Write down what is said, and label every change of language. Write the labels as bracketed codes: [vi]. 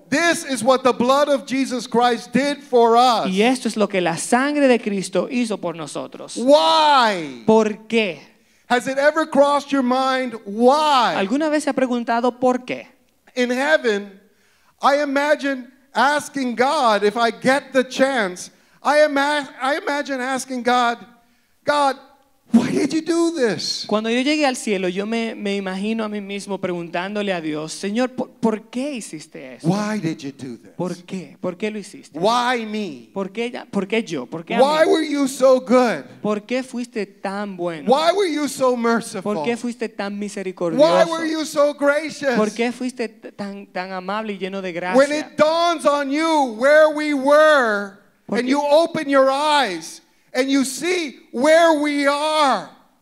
[en] This is what the blood of Jesus Christ did for us. [es] Y esto es lo que la sangre de Cristo hizo por nosotros. [en] Why? [es] ¿Por qué? [en] Has it ever crossed your mind why? [es] ¿Alguna vez se ha preguntado por qué? [en] In heaven, I imagine asking God if I get the chance. I imagine asking God, God, why did you do this? [es] Cuando yo llegué al cielo, yo me imagino a mí mismo preguntándole a Dios, Señor, ¿por qué hiciste esto? [en] Why did you do this? [es] ¿Por qué? ¿Por qué lo hiciste? [en] Why me? [es] ¿Por qué yo? ¿Por qué [en] Why were you so good? [es] ¿Por qué fuiste tan bueno? [en] Why were you so merciful? [es] ¿Por qué fuiste tan misericordioso? [en] Why were you so gracious? [es] ¿Por qué fuiste tan amable y lleno de gracia? [en] When it dawns on you where we were, and you open your eyes, and you see where we are.